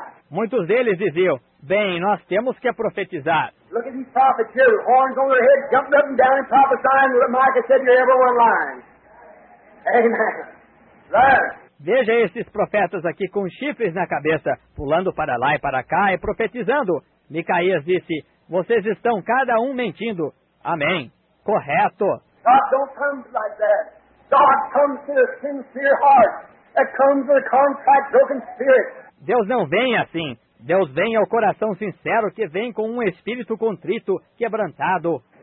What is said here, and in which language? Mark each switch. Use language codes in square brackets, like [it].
[pt] Muitos deles diziam, bem, nós temos que profetizar. [en] Look at these prophets here, with horns on their head, jumping up and down and prophesying that Micah said you're everywhere lying. Amen. Right. [pt] Veja esses profetas aqui com chifres na cabeça, pulando para lá e para cá e profetizando. Micaías disse, vocês estão cada um mentindo. Amém. Correto. [en] God don't come like that. God comes with a sincere heart that comes with a contrite, broken spirit. [pt] Deus não vem assim. Deus vem ao coração sincero que vem com um espírito contrito, quebrantado.